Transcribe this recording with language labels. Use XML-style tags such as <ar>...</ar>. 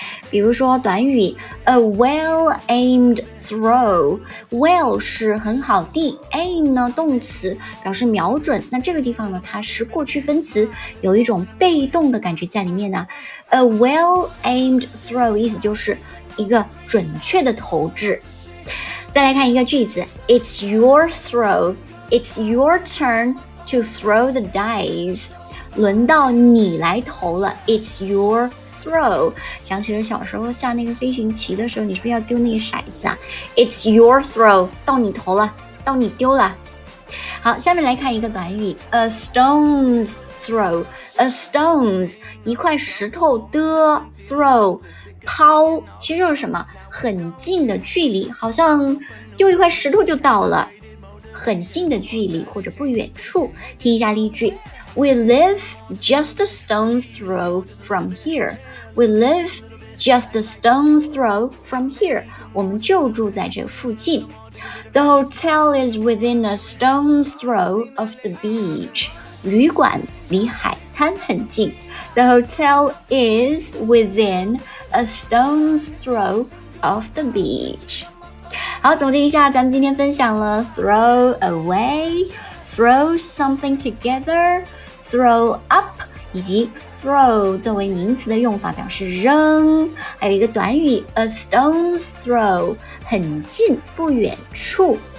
<zh>比如说短语</zh> <en>a well aimed throw，</en> <zh>well 是很好的， aim 呢动词表示瞄准，那这个地方呢它是过去分词，有一种被动的感觉在里面呢。</zh> <en>a well aimed throw</en> <zh>意思就是一个准确的投掷。再来看一个句子，</zh> <en>It's your throw， It's your turnTo throw the dice，</en> <zh>轮到你来投了。</zh> <en>It's your throw，</en> <zh>想起了小时候下那个飞行棋的时候，你是不是要丢那个骰子啊 ？It's your throw， 到你投了，到你丢了。好，下面来看一个短语 ，</zh> <en>a stone's throw，</en> <zh>a stone's 一块石头的 throw， 抛，其实就是什么，很近的距离，好像丢一块石头就到了。很近的距离或者不远处，听一下例句</zh> <en>We live just a stone's throw from here. We live just a stone's throw from here.</en> <zh>我们就住在这附近。</zh> <en>The hotel is within a stone's throw of the beach.</en> <zh>旅馆离海滩很近。</zh> <en>The hotel is within a stone's throw of the beach.</en> <zh>好，总结一下，咱们今天分享了 throw away， throw something together， throw up， 以及 throw 作为名词的用法表示扔，还有一个短语 a stone's throw， 很近不远处。</zh>